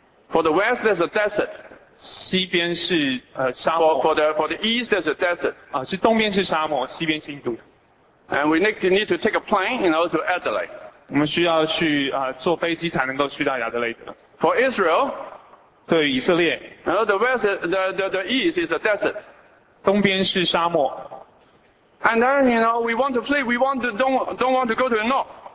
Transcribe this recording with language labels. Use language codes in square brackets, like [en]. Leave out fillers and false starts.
[en] For the west, that's the desert. [zh] 西边是沙漠。 [en] For the east there's a desert. [zh] 是东边是沙漠，西边是印度。 [en] And we need to take a plane in order to Adelaide. [zh] 我们需要去坐飞机才能够去到亚德雷德。 [en] For Israel, [zh] 对以色列。 [en] The west, the east is a desert. [zh] 东边是沙漠。 [en] And then, we want to flee, don't want to go to the north.